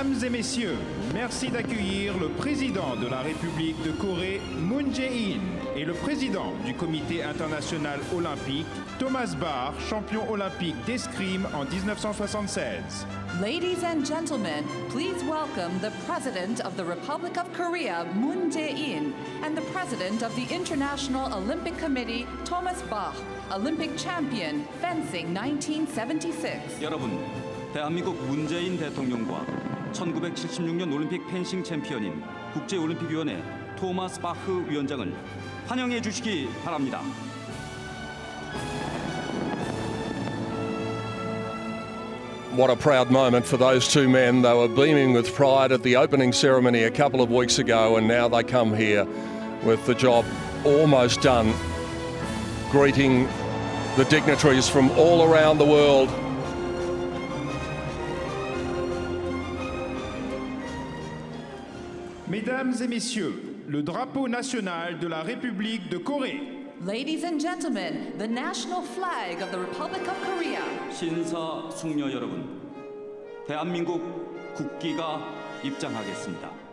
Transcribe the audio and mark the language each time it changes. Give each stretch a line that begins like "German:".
French: Messieurs, merci d'accueillir le président de la République de Corée, Moon Jae-in, et le président du Comité international olympique, Thomas Barr, champion olympique d'escrime en 1976.
English: Ladies and gentlemen, please welcome the president of the Republic of Korea, Moon Jae-in, and the president of the International Olympic Committee, Thomas Barr, Olympic champion, fencing 1976.
Korean: 여러분, 대한민국 문재인 대통령과 1976년 올림픽 펜싱 챔피언인 국제올림픽위원회 토마스 바흐 위원장을 환영해 주시기 바랍니다.
English: What a proud moment for those two men. They were beaming with pride at the opening ceremony a couple of weeks ago, and now they come here with the job almost done, greeting the dignitaries from all around the world.
French: Mesdames et messieurs, le drapeau national de la République de Corée.
English: Ladies and gentlemen, the national flag of the Republic of Korea.
Korean: 신사 숙녀 여러분, 대한민국 국기가 입장하겠습니다.